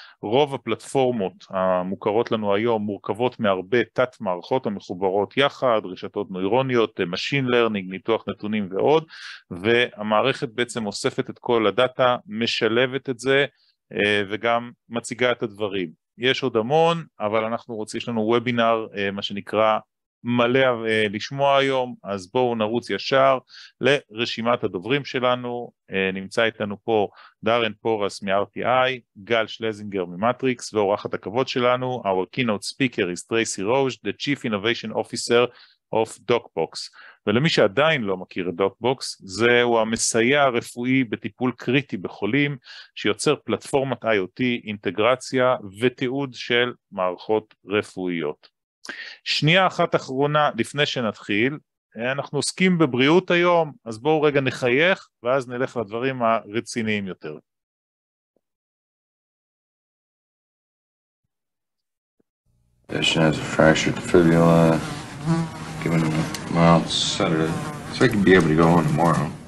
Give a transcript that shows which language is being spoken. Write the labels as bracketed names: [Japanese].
[Hebrew] רוב הפלטפורמות המוכרות לנו היום מורכבות מהרבה תת מערכות המחוברות יחד, רשתות נוירוניות, machine learning, ניתוח נתונים ועוד, והמערכת בעצם אוספת את כל הדאטה, משלבת את זה וגם מציגה את הדברים. יש עוד המון, אבל אנחנו רוצים, יש לנו וובינר, מה שנקרא, מלא לשמוע היום, אז בואו נרוץ ישר לרשימת הדוברים שלנו. נמצא איתנו פה דארן פורס מ-RTI, גל שלזינגר ממטריקס, ואורחת הכבוד שלנו, [English] our keynote speaker is Tracy Rausch, the chief innovation officer of DocBox. [Hebrew] ולמי שעדיין לא מכיר את DocBox, זהו המסייע הרפואי בטיפול קריטי בחולים, שיוצר פלטפורמת IoT, אינטגרציה ותיעוד של מערכות רפואיות. שנייה אחת אחרונה לפני שנתחיל, אנחנו עוסקים בבריאות היום, אז בואו רגע נחייך ואז נלך לדברים הרציניים יותר. [English] Patient has a fractured fibula, given him a mild sedative, so he can be able to go on tomorrow.